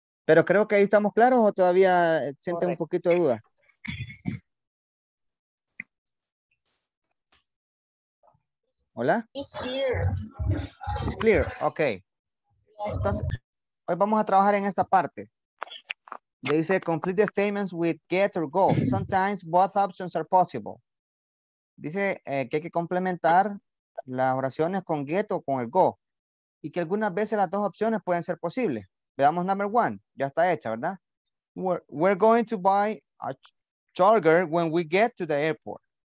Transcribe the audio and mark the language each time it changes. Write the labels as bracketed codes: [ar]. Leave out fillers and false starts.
[es] Pero creo que ahí estamos claros, ¿o todavía sienten correcto un poquito de duda? ¿Hola? [en] It's clear. It's clear, ok. [es] Entonces, hoy vamos a trabajar en esta parte. Dice, [en] complete the statements with get or go. Sometimes both options are possible. [es] Dice que hay que complementar las oraciones con get o con el go. Y que algunas veces las dos opciones pueden ser posibles. Veamos number one. Ya está hecha, ¿verdad? [en] We're going to buy a charger when we get to the airport.